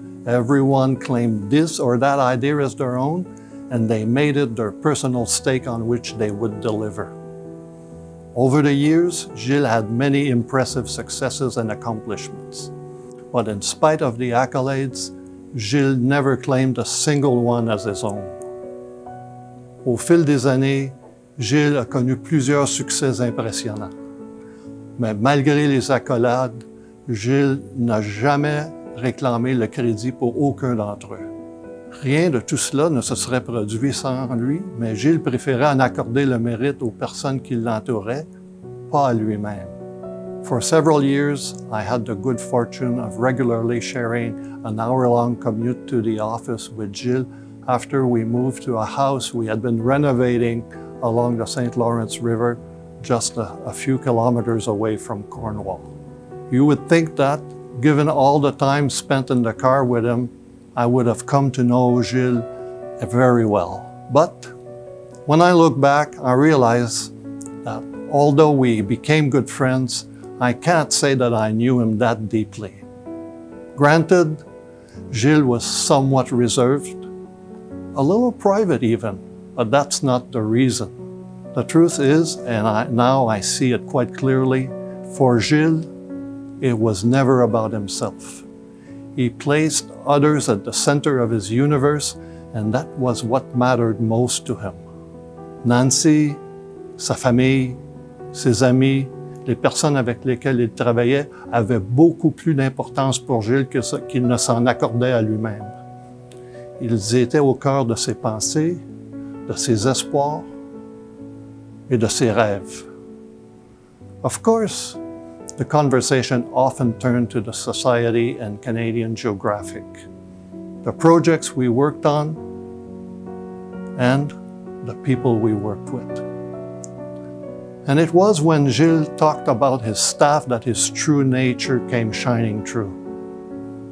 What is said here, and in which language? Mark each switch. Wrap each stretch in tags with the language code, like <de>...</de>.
<en>Everyone claimed this or that idea as their own, and they made it their personal stake on which they would deliver. Over the years, Gilles had many impressive successes and accomplishments. But in spite of the accolades, Gilles never claimed a single one as his own.</en> <fr>Au fil des années, Gilles a connu plusieurs succès impressionnants. Mais malgré les accolades, Gilles n'a jamais réclamé le crédit pour aucun d'entre eux. Rien de tout cela ne se serait produit sans lui, mais Gilles préférait en accorder le mérite aux personnes qui l'entouraient, pas à lui-même.</fr> <en>For several years, I had the good fortune of regularly sharing an hour-long commute to the office with Gilles after we moved to a house we had been renovating along the St. Lawrence River, just a few kilometers away from Cornwall. You would think that, given all the time spent in the car with him, I would have come to know Gilles very well. But when I look back, I realize that although we became good friends, I can't say that I knew him that deeply. Granted, Gilles was somewhat reserved, a little private even, but that's not the reason. The truth is, and I see it quite clearly, for Gilles, it was never about himself. He placed others at the center of his universe, and that was what mattered most to him.</en> <fr>Nancy, sa famille, ses amis, les personnes avec lesquelles il travaillait avaient beaucoup plus d'importance pour Gilles que ce qu'il ne s'en accordait à lui-même. Ils étaient au cœur de ses pensées, de ses espoirs et de ses rêves.</fr> <en>Of course, the conversation often turned to the Society and Canadian Geographic, the projects we worked on, and the people we worked with. And it was when Gilles talked about his staff that his true nature came shining through.</en>